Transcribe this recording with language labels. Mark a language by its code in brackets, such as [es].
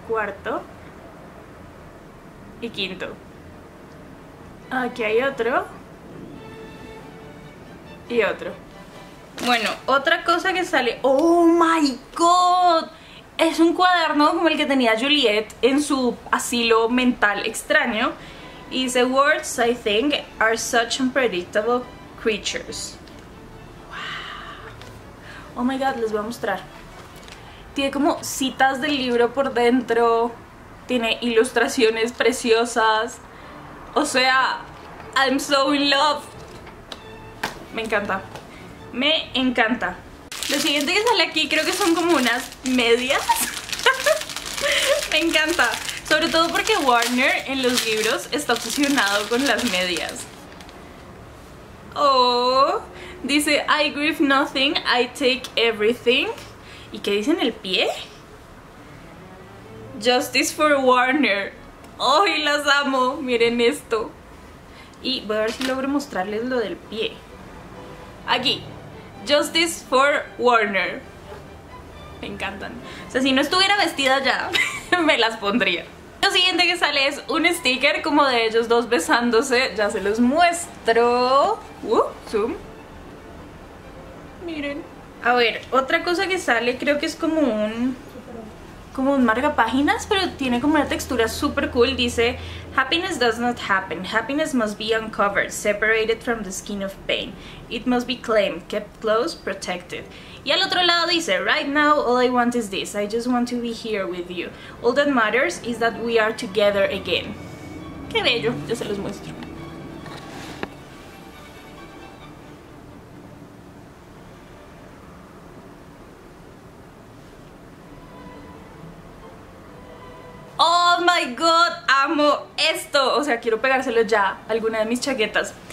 [es] Cuarto. Y quinto. Aquí hay otro. Y otro. Bueno, otra cosa que sale... [en] ¡Oh, my God! [es] Es un cuaderno como el que tenía Juliet en su asilo mental extraño. Y dice, [en] words, I think, are such unpredictable creatures. [es] ¡Wow! [en] ¡Oh, my God! [es] Les voy a mostrar. Tiene como citas del libro por dentro. Tiene ilustraciones preciosas. O sea, [en] I'm so in love. [es] Me encanta. Me encanta. Lo siguiente que sale aquí creo que son como unas medias. Me encanta. Sobre todo porque Warner en los libros está obsesionado con las medias. Oh. Dice, [en] I grieve nothing, I take everything. [es] ¿Y qué dice en el pie? [en] Justice for Warner. [es] Oh, y las amo. Miren esto. Y voy a ver si logro mostrarles lo del pie. Aquí. [en] Justice for Warner. [es] Me encantan. O sea, si no estuviera vestida ya, me las pondría. Lo siguiente que sale es un sticker como de ellos dos besándose. Ya se los muestro. Zoom. Miren. A ver, otra cosa que sale creo que es como un... como un marcapáginas, pero tiene como una textura súper cool. Dice, [en] happiness does not happen. Happiness must be uncovered, separated from the skin of pain. It must be claimed, kept close, protected. [es] Y al otro lado dice, [en] right now all I want is this. I just want to be here with you. All that matters is that we are together again. [es] Qué bello, ya se los muestro. [en] ¡Oh, my god, [es] amo esto. O sea, quiero pegárselo ya a alguna de mis chaquetas.